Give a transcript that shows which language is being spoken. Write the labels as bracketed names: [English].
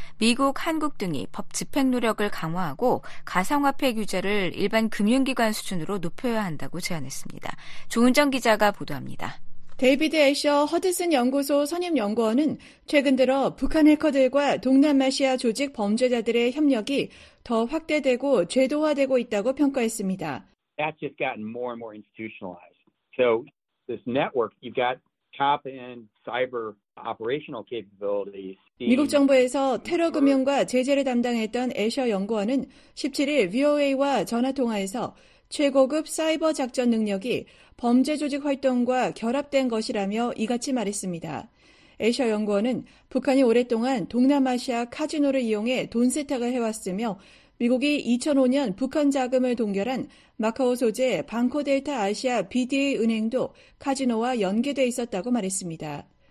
[Korean] 미국, 한국 등이 법 집행 노력을 강화하고 가상화폐 규제를 일반 금융기관 수준으로 높여야 한다고 제안했습니다. 조은정 기자가 보도합니다. 데이비드 애셔 허드슨 연구소 선임 연구원은 최근 들어 북한 해커들과 동남아시아 조직 범죄자들의 협력이 더 확대되고 제도화되고 있다고 평가했습니다. [English] That's just gotten more and more institutionalized. So this network, you've got top-end cyber operational capabilities. [Korean] 미국 정부에서 테러 금융과 제재를 담당했던 애셔 연구원은 17일 VOA와 전화 통화에서 최고급 사이버 작전 능력이 범죄 조직 활동과 결합된 것이라며 이같이 말했습니다. 에셔 연구원은 북한이 오랫동안 동남아시아 카지노를 이용해 돈 세탁을 해왔으며 미국이 2005년 북한 자금을 동결한 마카오 소재 방코델타 아시아 BDA 은행도 카지노와 연계돼 있었다고 말했습니다.